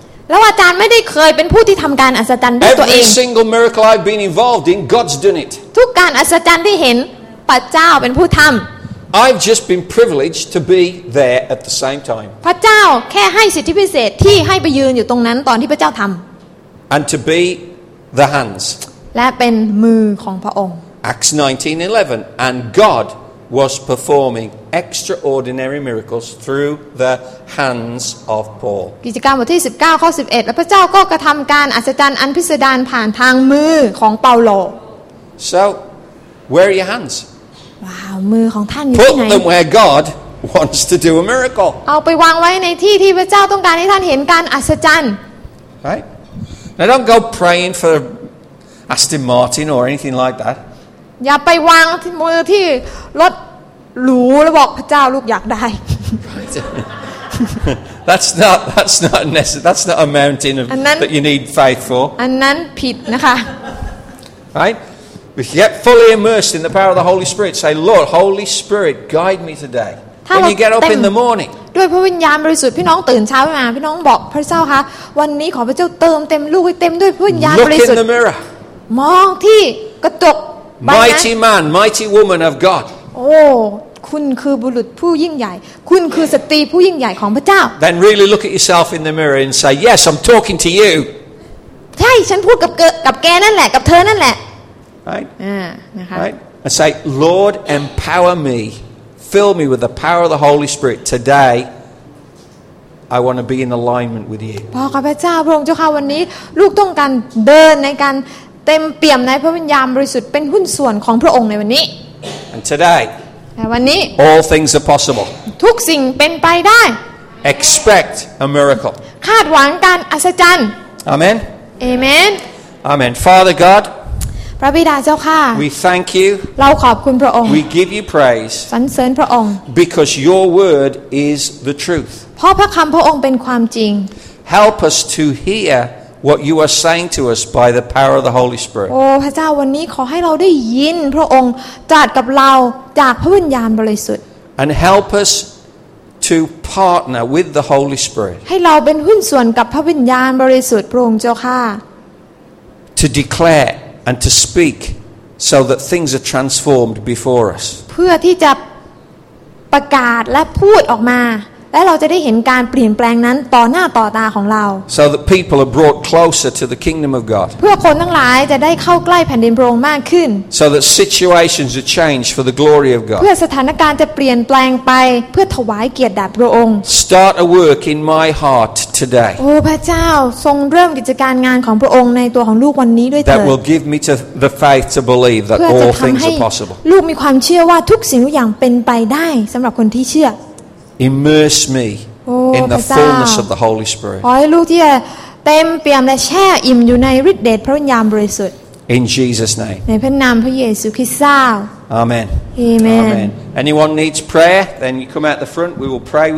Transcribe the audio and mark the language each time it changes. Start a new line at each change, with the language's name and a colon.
Thai: แล้วอาจารย์ไม่ได้เคยเป็นผู้ที่ทำการอัศจรรย์ด้วยตัวเอง
English: Every single miracle I've been involved in God's done it
Thai: ทุกการอัศจรรย์ที่เห็นพระเจ้าเป็นผู้ทำ
English: I've just been privileged to be there at the same time
Thai: พระเจ้าแค่ให้สิทธิพิเศษที่ให้ไปยืนอยู่ตรงนั้นตอนที่พระเจ้าทำ
English: And to beThe hands.
Thai: และเป็นมือของพระองค์
English: Acts 19:11 and God was performing extraordinary miracles through the hands of Paul.
Thai: กิจการบทที่19ข้อ11และพระเจ้าก็กระทำการอัศจรรย์อันพิสดารผ่านทางมือของเปาโล
English: So, where are your hands?
Thai: ว้าวมือของท่านอยู่ ที่ ไหน
English: Put them where God wants to do a miracle.
Thai: เอาไปวางไว้ในที่ที่พระเจ้าต้องการให้ท่านเห็นการอัศจรรย์
English: Right? Now don't go praying for Aston Martin or anything like that.
Thai: อย่าไปวางมือที่รถหรูแล้วบอกพระเจ้าลูกอยากได้
English: That's not necessary. That's not a mountain that you need faith for.
Thai: อันนั้นผิดนะคะ
English: Right? We get fully immersed in the power of the Holy Spirit. Say, Lord, Holy Spirit, guide me today. When you get up in the morning.
Thai: ด้วยพระวิญญาณบริสุทธิ์พี่น้องตื่นเช้ามาพี่น้องบอกพระเจ้าคะวันนี้ขอพระเจ้าเติมเต็มลูกให้เต็มด้วยพระวิญญาณบริสุทธิ ์มองที่กระจก
English: Mighty man mighty woman of God
Thai: โอ้คุณคือบุรุษผู้ยิ่งใหญ่คุณคือสตรีผู้ยิ่งใหญ่ของพระเจ้า
English: Then really look at yourself in the mirror and say yes I'm talking to you
Thai: ใช่ฉันพูดกับแกนั่นแหละกับเธอนั่นแหละ
English: Right
Thai: นะคะ
English: Right I say Lord empower meFill me with the power of the Holy Spirit today. I want to be in alignment with you.
Thai: บอกกับพระเจ้าพระองค์เจ้าค่ะวันนี้ลูกต้องการเดินในการเต็มเปี่ยมในพระวิญญาณบริสุทธิ์เป็นหุ้นส่วนของพระองค์ในวันนี้
English: And today.
Thai: และวันนี้
English: All things are possible.
Thai: ทุกสิ่งเป็นไปได้
English: Expect a miracle.
Thai: คาดหวังการอัศจรรย์
English: Amen. Amen. Amen. Father God.
Thai: พระบิดาเจ้าค่ะ
English: We thank you.
Thai: เราขอบคุณพระองค์
English: We give you praise.
Thai: สรรเสริญพระองค์
English: Because your word is the truth.
Thai: เพราะพระคำพระองค์เป็นความจริง
English: Help us to hear what you are saying to us by the power of the Holy Spirit.
Thai: โอ้พระเจ้าวันนี้ขอให้เราได้ยินพระองค์จัดกับเราจากพระวิญญาณบริสุทธิ์
English: And help us to partner with the Holy Spirit.
Thai: ให้เราเป็นหุ้นส่วนกับพระวิญญาณบริสุทธิ์พระองค์เจ้าค่ะ
English: To declareAnd to speak so that things are transformed before us.
Thai: เพื่อที่จะประกาศและพูดออกมาและเราจะได้เห็นการเปลี่ยนแปลงนั้นต่อหน้าต่อตาของเรา
English: So that people are brought closer to the kingdom of God.
Thai: เพื่อคนทั้งหลายจะได้เข้าใกล้แผ่นดินพระองค์มากขึ้น
English: So that situations are changed for the glory of God.
Thai: เพื่อสถานการณ์จะเปลี่ยนแปลงไปเพื่อถวายเกียรติแด่พระองค์
English: Start a work in my heart. Today.
Thai: โอ้พระเจ้าทรงเริ่มกิจการงานของพระองค์ในตัวของลูกวันนี้ด้วยเถิด
English: That will give me to the faith to believe that all things are possible.
Thai: ลูกมีความเชื่อว่าทุกสิ่งทุกอย่างเป็นไปได้สำหรับคนที่เชื่อ
English: Immerse me in the fullness of the Holy Spirit.
Thai: ขอให้ลูกที่เต็มเปี่ยมและแช่อิ่มอยู่ในฤทธิ์เดชพระวิญญาณบริสุทธิ์
English: Amen. Amen. Anyone needs prayer, then you come out the front. We will pray with